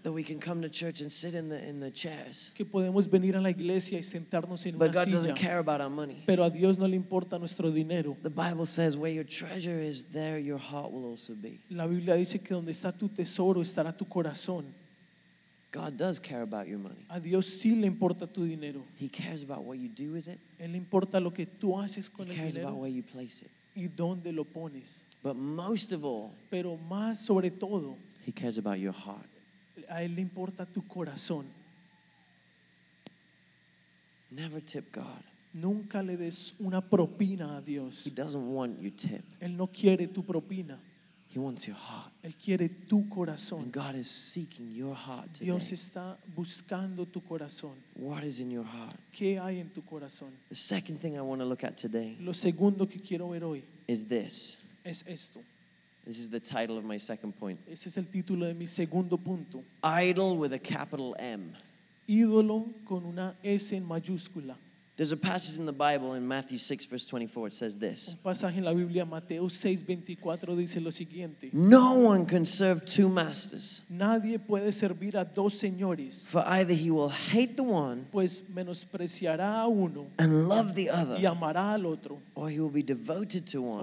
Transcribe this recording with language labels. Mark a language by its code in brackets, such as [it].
[en] That we can come to church and sit in the chairs. [es] Que podemos venir a la iglesia y sentarnos en [en] But [es] una [en] God [es] silla. [en] Doesn't care about our money. [es] Pero a Dios no le importa nuestro dinero. [en] The Bible says where your treasure is, there your heart will also be. [es] La Biblia dice que donde está tu tesoro estará tu corazón. [en] God does care about your money. [es] A Dios sí le importa tu dinero. [en] He cares about what you do with it. [es] Él le importa lo que tú haces con [en] he [es] el dinero. [en] He cares about where you place it. [es] Y dónde lo pones. [en] But most of all, [es] pero más sobre todo, [en] he cares about your heart. [es] A él le importa tu corazón. [en] Never tip God. [es] Nunca le des una propina a Dios. [en] He doesn't want your tip. [es] Él no quiere tu propina. [en] He wants your heart. [es] Él quiere tu corazón. [en] And God is seeking your heart today. [es] Dios está buscando tu corazón. [en] What is in your heart? [es] ¿Qué hay en tu corazón? [en] The second thing I want to look at today. [es] Lo segundo que quiero ver hoy. [en] Is this. [es] Es esto. [en] This is the title of my second point. [es] Ese es el título de mi segundo punto. [en] Idol with a capital M. [es] Ídolo con una S en mayúscula. [en] There's a passage in the Bible in Matthew 6, verse 24, it says this. [es] Un pasaje en la Biblia, Mateo 6, 24, dice lo siguiente. [en] No one can serve two masters. [es] Nadie puede servir a dos señores. [en] For either he will hate the one. [es] Pues menospreciará a uno. [en] And love the other. [es] Y amará al otro. [en] Or he will be devoted to one.